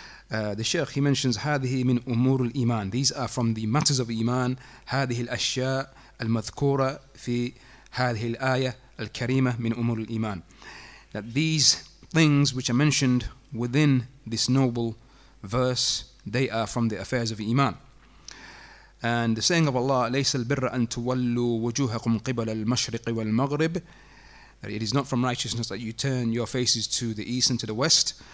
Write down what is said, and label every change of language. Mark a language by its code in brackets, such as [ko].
[en] The Sheikh, he mentions [ar] هذه من أمور الإيمان. [en] These are from the matters of إيمان. [ar] هذه الأشياء المذكورة في هذه الآية الكريمة من أمور الإيمان. [en] That these things which are mentioned within this noble verse, they are from the affairs of إيمان. And the saying of Allah, [ar] ليس البر أن تولوا وجوهكم قبل المشرق والمغرب. [en] That it is not from righteousness that you turn your faces to the east and to the west.